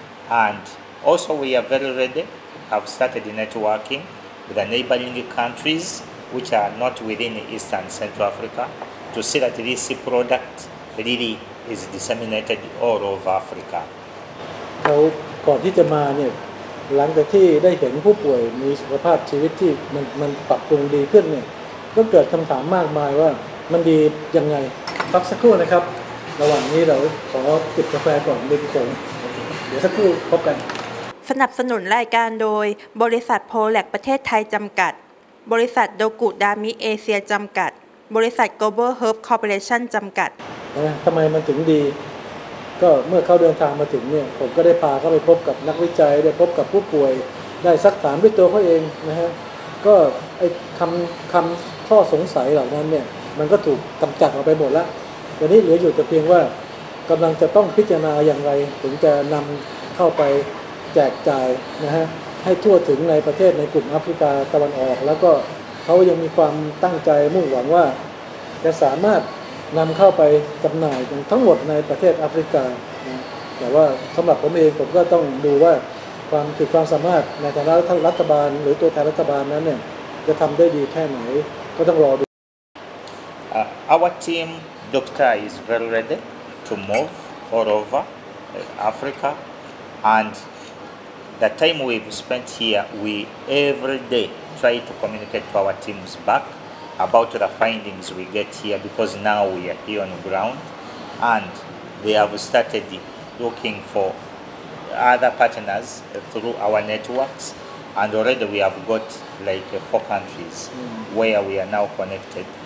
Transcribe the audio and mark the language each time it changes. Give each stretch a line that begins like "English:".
English: And also, we are very ready, have started networking with the neighboring countries which are not within East and Central Africa to see that this product really is disseminated all over Africa. Before they came, after they saw the patient who had a life that was improved, they asked a lot of questions about how it was doing. Wait a minute.
Thai: ระหว่างนี้เราขอจิบกาแฟก่อนเดี๋ยวสักครู่พบกัน สนับสนุนรายการโดยบริษัทโพแล็กประเทศไทยจำกัดบริษัทโดกุดามิเอเชียจำกัดบริษัทโกลบอลเฮิร์บคอร์ปอเรชั่นจำกัด ทำไมมันถึงดีก็เมื่อเขาเดินทางมาถึงเนี่ยผมก็ได้พาเขาไปพบกับนักวิจัยได้พบกับผู้ป่วยได้ซักถามด้วยตัวเขาเองนะฮะก็ไอ้คำข้อสงสัยเหล่านั้นเนี่ยมันก็ถูกกำจัดออกไปหมดแล้วตอนนี้เหลืออยู่แต่เพียงว่ากำลังจะต้องพิจารณาอย่างไรถึงจะนำเข้าไปแจกจ่ายนะฮะให้ทั่วถึงในประเทศในกลุ่มแอฟริกาตะวันออกแล้วก็เขายังมีความตั้งใจมุ่งหวังว่า จะสามารถนำเข้าไปจำหน่ายทั้งหมดในประเทศแอฟริกาแต่ว่าสำหรับผมเองผมก็ต้องดูว่าความถึงความสามารถในฐานะรัฐบาลหรือตัวแทนรัฐบาลนั้นเนี่ยจะทำได้ดีแค่ไหนก็ต้องรอดู
English: our teamDoctor is very ready to move all over Africa, and the time we've spent here, we every day try to communicate to our teams back about the findings we get here, because now we are here on the ground, and they have started looking for other partners through our networks, and already we have got like 4 countries where we are now connected.